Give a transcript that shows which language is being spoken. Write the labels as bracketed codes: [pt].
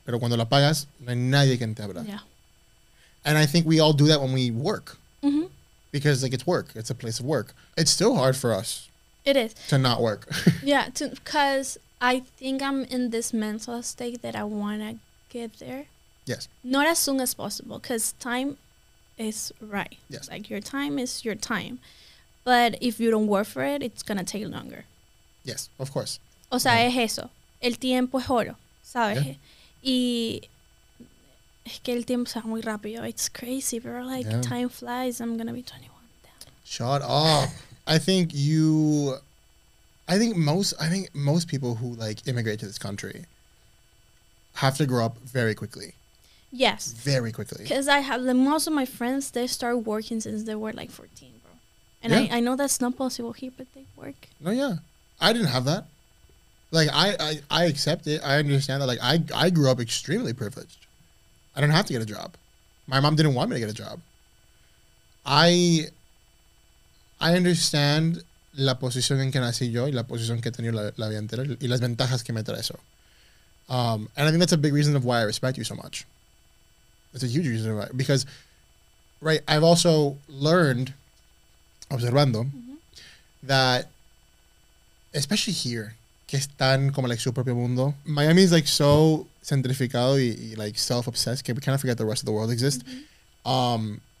[es] Pero cuando lo apagas, no hay nadie que te abra. [en] Yeah. And I think we all do that when we work. Mm-hmm. Because, like, it's work. It's a place of work. It's still hard for us. It is. To not work. Yeah, because I think I'm in this mental state that I want to get there. Yes. Not as soon as possible, because time is right. Yes. Like, your time is your time. But if you don't work for it, it's gonna take longer. Yes, of course. [es] O sea, es eso. El tiempo es oro, ¿sabes? [en] Yeah. [es] Y es que el tiempo se va muy rápido. [en] It's crazy, bro. Like, time flies. I'm gonna be 21. Damn. Shut up. I think most people who, like, immigrate to this country have to grow up very quickly. Yes. Very quickly. Because I have, like, most of my friends, they start working since they were like 14, bro. And yeah. I know that's not possible here, but they work. No, yeah. I didn't have that. Like, I accept it. I understand that. Like, I grew up extremely privileged. I didn't have to get a job. My mom didn't want me to get a job. I understand [es] la posición en que nací yo y la posición que he tenido la vida entera y las ventajas que me trae eso. [en] And I think that's a big reason of why I respect you so much. It's a huge reason why. Because, right, I've also learned, [es] observando, [en] mm-hmm. that, especially here, [es] que están como like su propio mundo. [en] Miami is like so [es] centrificado y [en] like self-obsessed [es] que [en] we kind of forget the rest of the world exists. Mm-hmm.